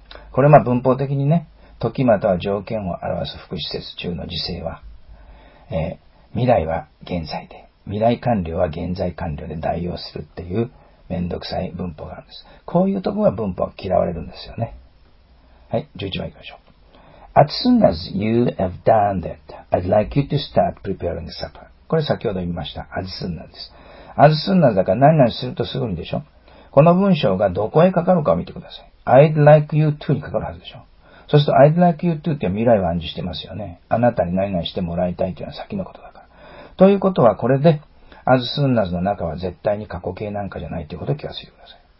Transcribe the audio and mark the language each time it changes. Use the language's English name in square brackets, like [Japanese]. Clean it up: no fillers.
[Japanese] これまあ文法的にね、時または条件を表す副詞節中の時制は、未来は現在で、未来完了は現在完了で代用するっていうめんどくさい文法があるんです。こういうとこが文法は嫌われるんですよね。はい、11番行きましょう。 [English] As soon as you have done that, I'd like you to start preparing supper. [Japanese] これ先ほど言いました。 [English] As soon as [Japanese] です。As soon as だから何々するとすぐにでしょ。この文章がどこへかかるかを見てください。 [English] I'd like you to [Japanese] にかかるはずでしょ。そうすると I'd like you to って未来を暗示してますよね。あなたに何々してもらいたいというのは先のことだ。ということは、これで、 [English] as soon as [Japanese] の中は絶対に過去形なんかじゃないということを気がついてください。